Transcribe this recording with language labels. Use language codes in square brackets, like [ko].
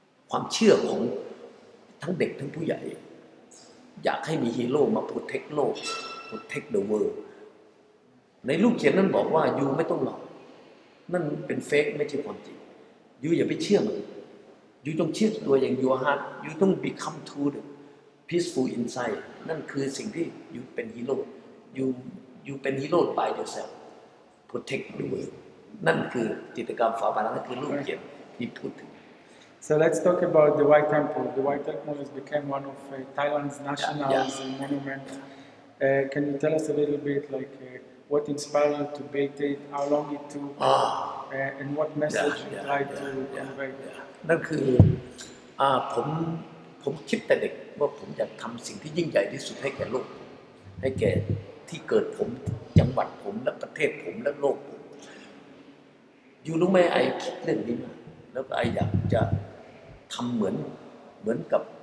[th] ความเชื่อของทั้งเด็กทั้งผู้ใหญ่อยากให้มีฮีโร่มาโปรเทคโลกโปรเทคเดอะเวิลด์ในรูปเขียนนั้นบอกว่ายูไม่ต้องหลอกนั่นเป็นเฟกไม่ใช่ความจริงยูอย่าไปเชื่อมันยูต้องเชื่อตัวอย่างยูฮาร์ดยูต้อง [en] become to the peaceful inside [th] นั่นคือสิ่งที่ยูเป็นฮีโร่ยูเป็นฮีโร่ [en] by yourself protect the world [th] นั่นคือจิตกรรมฝาผนังนั่นคือรูปเขียนที่พูดถึง [en] so let's talk about the White Temple the White Temple has become one of Thailand's national monument can you tell us a little bit like what inspired you to build it, how long it took, and what message you tried to convey. [th] นั่นคือผม ผมคิดแต่เด็กว่าผมอยากทำสิ่งที่ยิ่งใหญ่ที่สุดให้แก่โลกให้แก่ที่เกิดผมจังหวัดผมและประเทศผมและโลกผมอยู่รู้ไหมไอ้คิดเรื่องนี้มาแล้วไอ้อยากจะทำเหมือนกับ